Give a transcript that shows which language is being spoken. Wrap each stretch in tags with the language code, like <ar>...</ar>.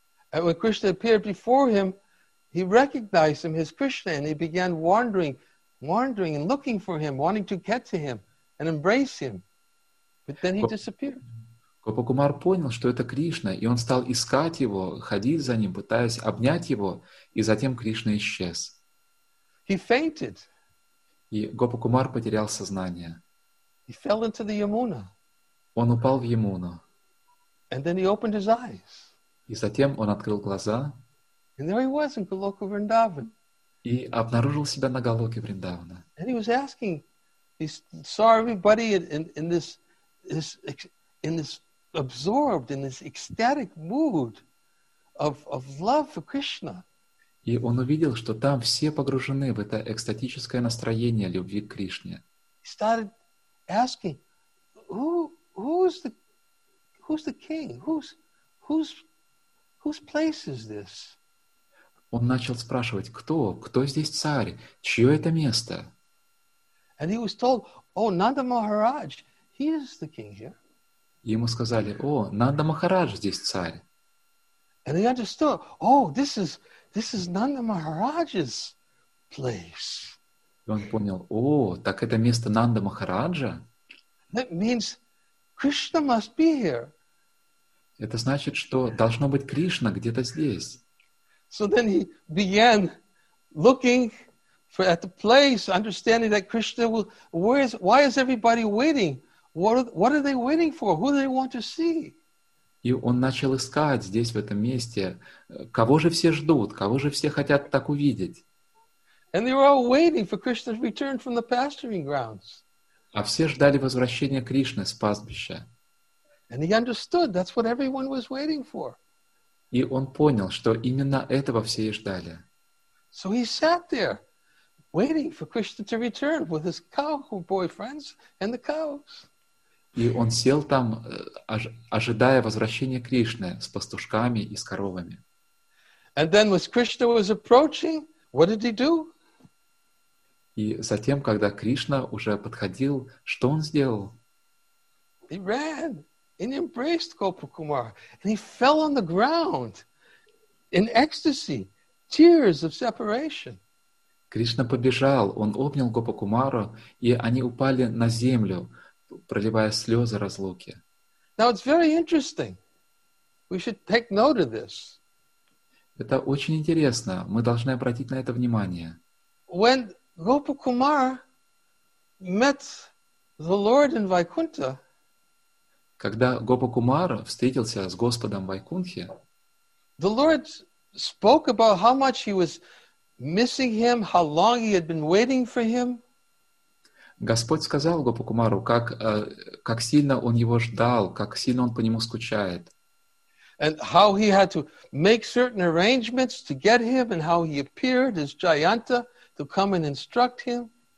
<en>And when Krishna appeared before him, he recognized him as Krishna, and he began wandering and looking for him, wanting to get to him and embrace him. But then he disappeared.</en> <ru>Гопа Кумар понял, что это Кришна, и он стал искать его, ходить за ним, пытаясь обнять его, и затем Кришна исчез.</ru> <en>He fainted.</en> <ru>И Гопа Кумар потерял сознание.</ru> <en>He fell into the Yamuna.</en> <ru>Он упал в Ямуну.</ru> <en>And then he opened his eyes.</en> <ru>И затем он открыл глаза.</ru> <en>And there he was in Goloka Vrindavan.</en> <ru>И обнаружил себя на Голоке Вриндавана.</ru> <en>And he was asking, he saw everybody in this absorbed, in this ecstatic mood of love for Krishna.</en> <ru>И он увидел, что там все погружены в это экстатическое настроение любви к Кришне.</ru> <en>He started asking, who's the king? Whose place is this?</en> <ru>Он начал спрашивать, кто здесь царь, чье это место?</ru> <en>And he was told, Nanda Maharaj, he is the king here.</en> <ru>Ему сказали, Нанда Махарадж здесь царь.</ru> <en>And he understood, this is Nanda Maharaj's place.</en> <ru>И он понял, так это место Нанда Махараджа?</ru> <en>That means Krishna must be here.</en> <ru>Это значит, что должно быть Кришна где-то здесь.</ru> <en>So then he began looking for at the place, understanding that Krishna will. Why is everybody waiting? What are they waiting for? Who do they want to see?</en> <ru>И он начал искать здесь в этом месте, кого же все ждут, кого же все хотят так увидеть.</ru> <en>And they were all waiting for Krishna's return from the pasturing grounds.</en> <ru>А все ждали возвращения Кришны с пастбища.</ru> <en>And he understood that's what everyone was waiting for.</en> <ru>И он понял, что именно этого все и ждали.</ru> <en>So he sat there, waiting for Krishna to return with his cow boyfriends and the cows.</en> <ru>И он сел там, ожидая возвращения Кришны с пастушками и с коровами.</ru> <en>And then when Krishna was approaching, what did he do?</en> <ru>И затем, когда Кришна уже подходил, что он сделал?</ru> <en>He ran and embraced Gopakumara, and he fell on the ground in ecstasy, tears of separation.</en> <ru>Кришна побежал, он обнял Гопакумару, и они упали на землю, проливая слезы разлуки.</ru> <en>Now it's very interesting. We should take note of this.</en> <ru>Это очень интересно. Мы должны обратить на это внимание.</ru> <en>When Gopakumara met the Lord in Vaikuntha,</en> <ru>когда Гопакумара встретился с Господом Вайкунхе,</ru> <en>the Lord spoke about how much he was missing him, how long he had been waiting for him.</en> <ru>Господь сказал Гопакумару, как сильно он его ждал, как сильно он по нему скучает.</ru> <en>And how he had to make certain arrangements to get him, and how he appeared as Jayanta to come and instruct him.</en>